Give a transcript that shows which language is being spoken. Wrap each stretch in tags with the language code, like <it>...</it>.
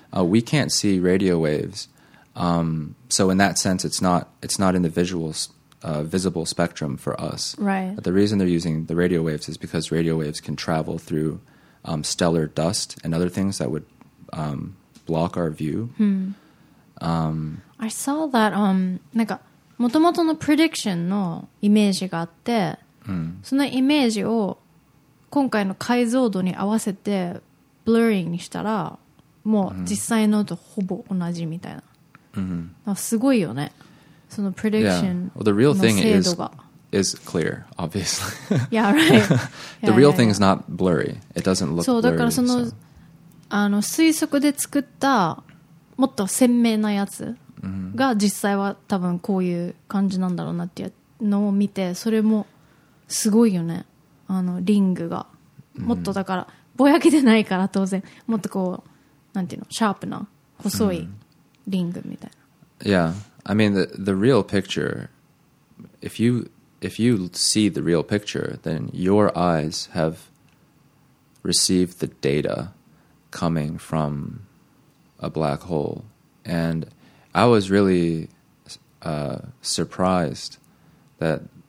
<en>We can't see radio waves. So in that sense, it's not in the visible spectrum for us. Right. But the reason they're using the radio waves is because radio waves can travel through stellar dust and other things that would block our view. I saw that,</en> <ja>なんか元々のプレディクションのイメージがあって、そのイメージを今回の解像度に合わせてブルーリングにしたらもう実際のとほぼ同じみたいな、すごいよねそのプレディクションの精度が。</ja> <en>Well, the real thing is clear, obviously. Yeah, right. The real thing is not blurry. It doesn't look blurry.</en> <ja>そうだからその、あの推測で作ったもっと鮮明なやつが実際は多分こういう感じなんだろうなっていうのを見て、それもすごいよね。あのリングがもっとだからぼやけてないから当然もっとこうなんていうのシャープな細いリングみたいな。</ja> <en>Yeah, I mean the real picture. If you see the real picture, then your eyes have received the data coming from a black hole. And I was really surprised that.</en>